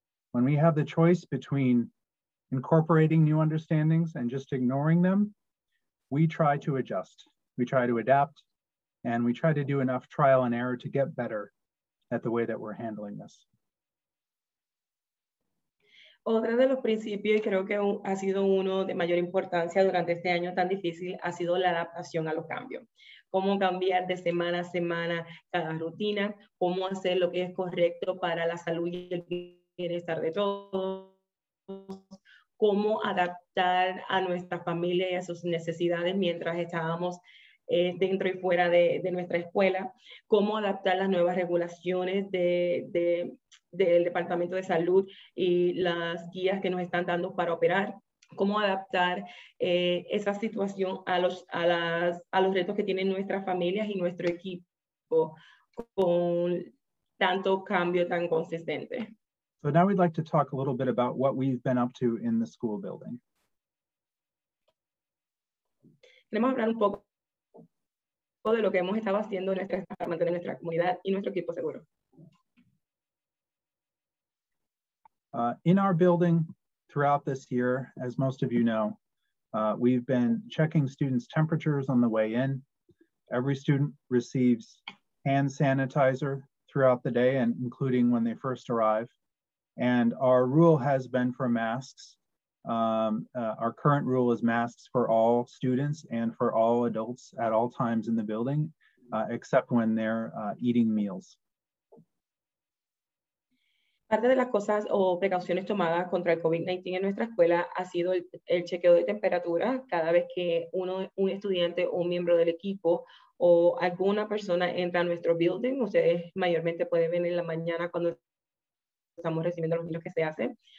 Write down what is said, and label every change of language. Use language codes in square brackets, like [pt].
[en] When we have the choice between incorporating new understandings and just ignoring them, we try to adjust, we try to adapt, and we try to do enough trial and error to get better at the way that we're handling this. [es] Otro de los principios, y creo que ha sido uno de mayor importancia durante este año tan difícil, ha sido la adaptación a los cambios. Cómo cambiar de semana a semana cada rutina, cómo hacer lo que es correcto para la salud y el bienestar de todos, cómo adaptar a nuestra familia y a sus necesidades mientras estábamos dentro y fuera de nuestra escuela, cómo adaptar las nuevas regulaciones del Departamento de Salud y las guías que nos están dando para operar, cómo adaptar esa situación a los retos que tienen nuestras familias y nuestro equipo con tanto cambio tan consistente. [en] So now we'd like to talk a little bit about what we've been up to in the school building. [es] Queremos hablar un poco de lo que hemos estado haciendo en nuestra, para mantener nuestra comunidad y nuestro equipo seguro. [en] In our building, throughout this year, as most of you know, we've been checking students' temperatures on the way in. Every student receives hand sanitizer throughout the day, and including when they first arrive. And our rule has been for masks. Our current rule is masks for all students and for all adults at all times in the building, except when they're eating meals. [es] Parte de las cosas o precauciones tomadas contra el COVID-19 en nuestra escuela ha sido el chequeo de temperatura cada vez que un estudiante o un miembro del equipo o alguna persona entra a nuestro building. Ustedes mayormente pueden ver en la mañana cuando estamos recibiendo los niños que se hacen.